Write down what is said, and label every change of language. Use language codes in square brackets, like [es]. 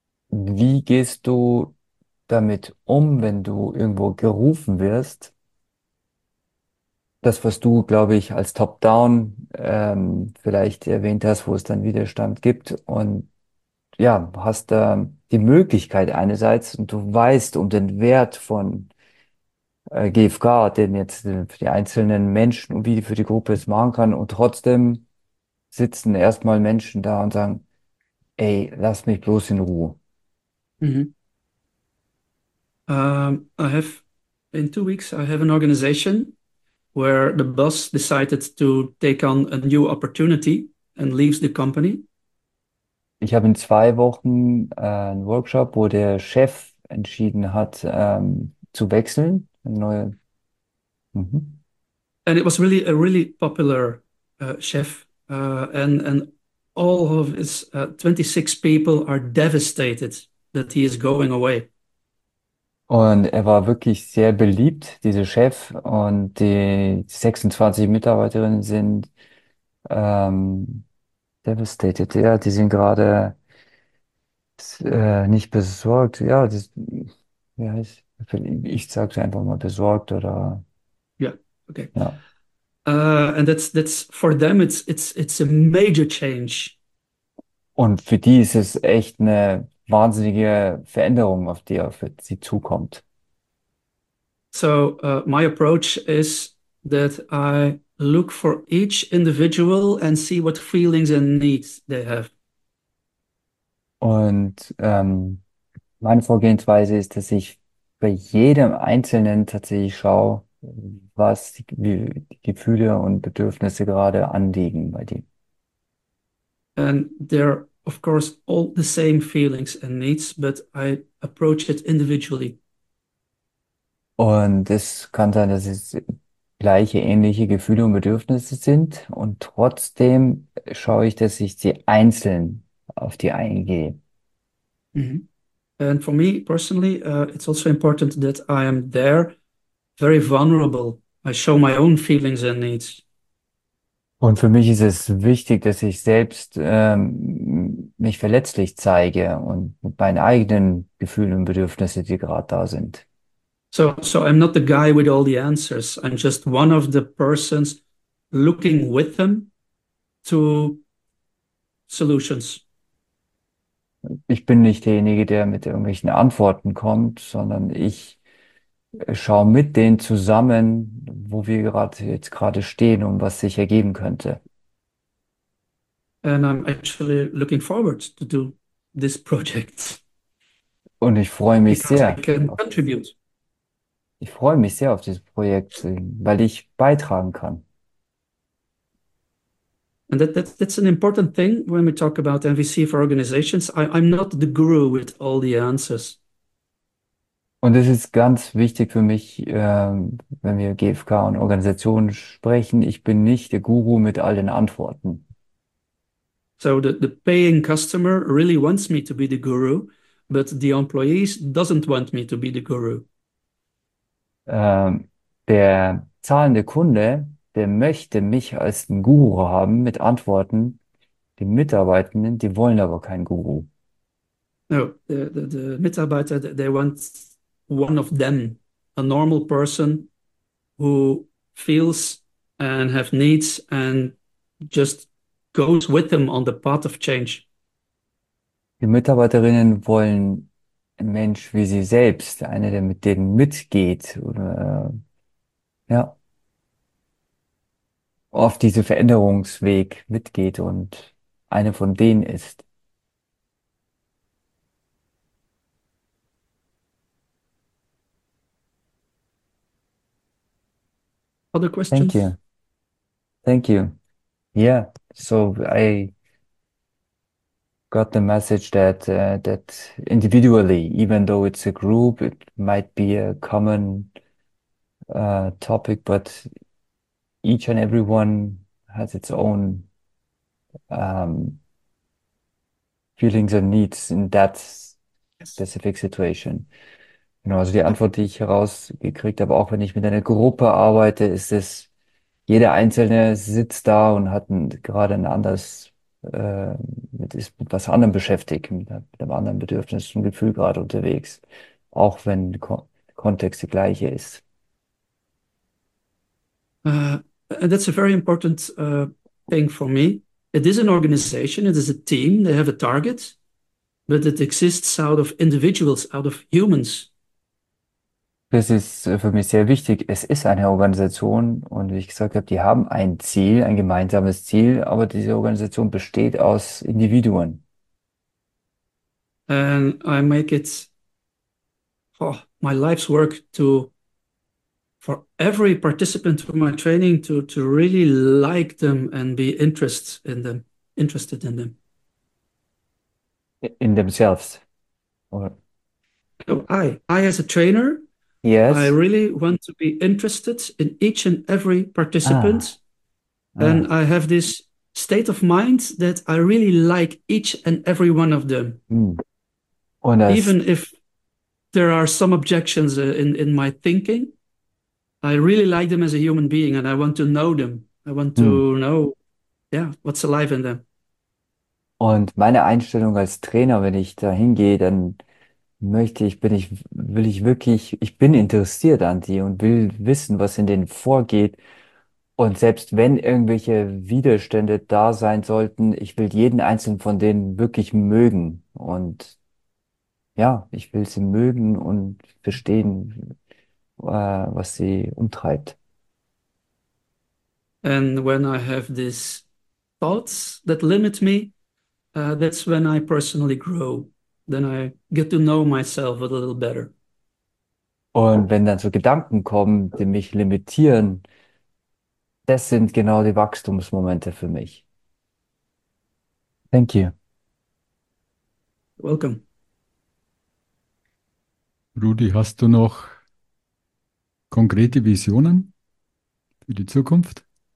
[de] Wie gehst du damit um, wenn du irgendwo gerufen wirst, das, was du, glaube ich, als Top-Down vielleicht erwähnt hast, wo es dann Widerstand gibt und ja, hast da die Möglichkeit einerseits und du weißt um den Wert von GfK, den jetzt für die einzelnen Menschen und wie die für die Gruppe es machen kann und trotzdem sitzen erstmal Menschen da und sagen, ey, lass mich bloß in Ruhe. [en] I have in 2 weeks I have an organization where the boss decided to take on a new opportunity and leaves the company. [de] Ich habe in 2 Wochen einen Workshop, wo der Chef entschieden hat, zu wechseln. Eine neue. [en] And it was really a really popular chef and all of his 26 people are devastated. That he is going away. [de] Und er war wirklich sehr beliebt, dieser Chef. Und die 26 Mitarbeiterinnen sind devastated. Ja, die sind gerade nicht besorgt. Ja, das, wie heißt, ich sage es einfach mal besorgt oder Okay. ja. [en] And that's for them. It's a major change. [de] Und für die ist es echt eine wahnsinnige Veränderung, auf die auf sie zukommt. [en] So, my approach is that I look for each individual and see what feelings and needs they have. [de] Und meine Vorgehensweise ist, dass ich bei jedem Einzelnen tatsächlich schaue, was die Gefühle und Bedürfnisse gerade anliegen bei dir. [en] And there are, of course, all the same feelings and needs, but I approach it individually. [de] Und es kann sein, dass es gleiche, ähnliche Gefühle und Bedürfnisse sind. Und trotzdem schaue ich, dass ich sie einzeln auf die eingehe. [en] And for me personally, it's also important that I am there, very vulnerable. I show my own feelings and needs. [de] Und für mich ist es wichtig, dass ich selbst mich verletzlich zeige und mit meinen eigenen Gefühlen und Bedürfnissen, die gerade da sind. [en] So I'm not the guy with all the answers. I'm just one of the persons looking with them to solutions. [de] Ich bin nicht derjenige, der mit irgendwelchen Antworten kommt, sondern ich schaue mit denen zusammen, wo wir gerade jetzt gerade stehen und was sich ergeben könnte. [en] And I'm actually looking forward to do this project [de] Und ich freue mich [en] because I [de] sehr [en] can [de] auf dieses. [en] contribute. [de] Ich freue mich sehr auf dieses Projekt, weil ich beitragen kann. [en] And that's an important thing when we talk about MVC for organizations. I'm not the guru with all the answers. [de] Und es ist ganz wichtig für mich, wenn wir GfK und Organisationen sprechen, ich bin nicht der Guru mit allen Antworten. [en] So the paying customer really wants me to be the guru, but the employees doesn't want me to be the guru. [de] Der zahlende Kunde der möchte mich als einen Guru haben mit Antworten. Die Mitarbeitenden, die wollen aber keinen Guru. [en] No, the Mitarbeiter, they want one of them, a normal person who feels and have needs and just goes with them on the path of change. [de] Die Mitarbeiterinnen wollen einen Mensch wie sie selbst, einer, der mit denen mitgeht, oder, ja, auf diesen Veränderungsweg mitgeht und eine von denen ist. [en] Other Thank questions? you. Thank you. Yeah, so I got the message that that individually, even though it's a group, it might be a common topic, but each and everyone has its own feelings and needs in that Yes. specific situation. [de] Genau, also die Antwort, die ich herausgekriegt habe, auch wenn ich mit einer Gruppe arbeite, ist es, jeder Einzelne sitzt da und hat gerade ein anderes ist mit was anderem beschäftigt, mit einem anderen Bedürfnis und Gefühl gerade unterwegs, auch wenn der Kontext der gleiche ist. [en] And that's a very important thing for me. It is an organization, it is a team, they have a target, but it exists out of individuals, out of humans. [de] Das ist für mich sehr wichtig. Es ist eine Organisation und wie ich gesagt habe, die haben ein Ziel, ein gemeinsames Ziel, aber diese Organisation besteht aus Individuen. [en] And I make it my life's work to. For every participant from my training to really like them and be interested in them. In themselves. Or So I as a trainer, I yes. really want to be interested in each and every Ah. participant. And Ah. I have this state of mind that I really like each and every one of them. [de] Und [en] Even [de] das. [en] if there are some objections in my thinking. I really like them as a human being and I want to know them. I want to know, yeah, what's alive in them. [de] Und meine Einstellung als Trainer, wenn ich da hingehe, dann möchte ich, bin ich, will ich wirklich, ich bin interessiert an die und will wissen, was in denen vorgeht. Und selbst wenn irgendwelche Widerstände da sein sollten, ich will jeden einzelnen von denen wirklich mögen. Und ja, ich will sie mögen und verstehen, was sie umtreibt. [en] And when I have these thoughts that limit me, that's when I personally grow. Then I get to know myself a little better. [de] Und wenn dann so Gedanken kommen, die mich limitieren, das sind genau die Wachstumsmomente für mich. [en] Thank you. Welcome. [de] Rudi, hast du noch konkrete Visionen für die Zukunft?